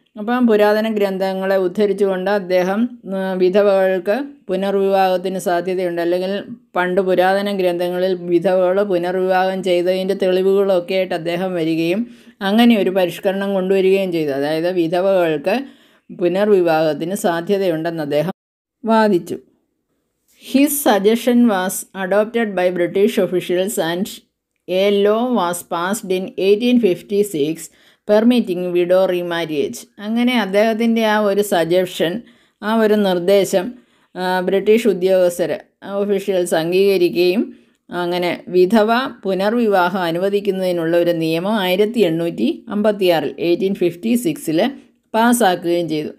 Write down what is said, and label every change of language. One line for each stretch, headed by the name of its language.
Malayalam: അപ്പം പുരാതന ഗ്രന്ഥങ്ങളെ ഉദ്ധരിച്ചുകൊണ്ട് അദ്ദേഹം വിധവകൾക്ക് പുനർവിവാഹത്തിന് സാധ്യതയുണ്ട്, അല്ലെങ്കിൽ പണ്ട് പുരാതന ഗ്രന്ഥങ്ങളിൽ വിധവകൾ പുനർവിവാഹം ചെയ്തതിൻ്റെ തെളിവുകളൊക്കെ ആയിട്ട് അദ്ദേഹം വരികയും അങ്ങനെ ഒരു പരിഷ്കരണം കൊണ്ടുവരികയും ചെയ്തു. അതായത് വിധവകൾക്ക് പുനർവിവാഹത്തിന് സാധ്യതയുണ്ടെന്ന് അദ്ദേഹം വാദിച്ചു.
English: His suggestion was adopted by British officials and a law was passed in 1856 permitting widow remarriage.
Malayalam: അങ്ങനെ അദ്ദേഹത്തിൻ്റെ ആ ഒരു സജഷൻ, ആ ഒരു നിർദ്ദേശം ബ്രിട്ടീഷ് ഉദ്യോഗസ്ഥർ ഒഫീഷ്യൽസ് അംഗീകരിക്കുകയും അങ്ങനെ വിധവ പുനർവിവാഹം അനുവദിക്കുന്നതിനുള്ള ഒരു നിയമം 1856 പാസ്സാക്കുകയും ചെയ്തു.